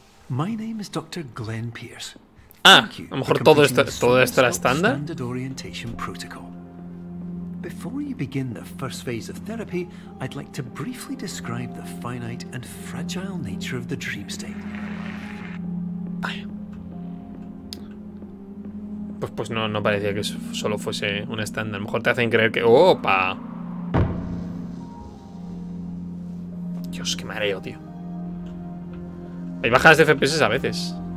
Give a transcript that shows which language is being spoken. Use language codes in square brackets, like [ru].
[en] My name is Dr. Glenn Pierce. [es] Ah, a lo mejor todo esto era estándar. [en] Orientation protocol. Before you begin the first phase of therapy, I'd like to briefly describe the finite and fragile nature of the dream state. [es] Pues no parecía que solo fuese un estándar. A lo mejor te hacen creer que... ¡Opa! Dios, qué mareo, tío. Hay bajadas de FPS a veces.